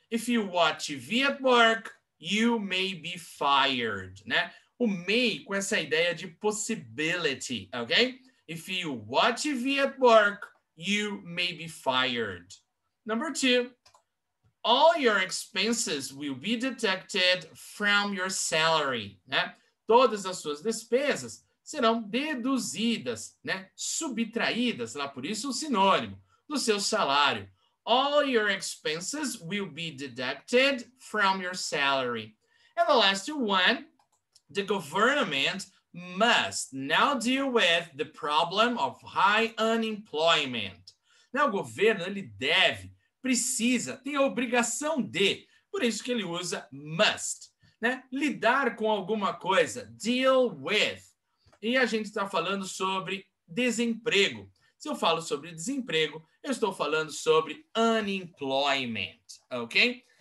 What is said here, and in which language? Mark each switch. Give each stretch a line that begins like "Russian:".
English: If you watch TV at work, you may be fired,
Portuguese: né? O may com essa ideia de possibility, ok?
English: If you watch TV at work, you may be fired. Number 2. All your expenses will be deducted from your salary. Né?
Portuguese: Todas as suas despesas serão deduzidas, né? Subtraídas, lá por isso o sinônimo, do seu salário.
English: All your expenses will be deducted from your salary. And the last one, the government must now deal with the problem of high unemployment.
Portuguese: Now, o governo, ele deve, precisa, tem a obrigação de, por isso que ele usa must, né? Lidar com alguma coisa, deal with. E a gente está falando sobre desemprego. Se eu falo sobre desemprego, eu estou falando sobre unemployment, ok?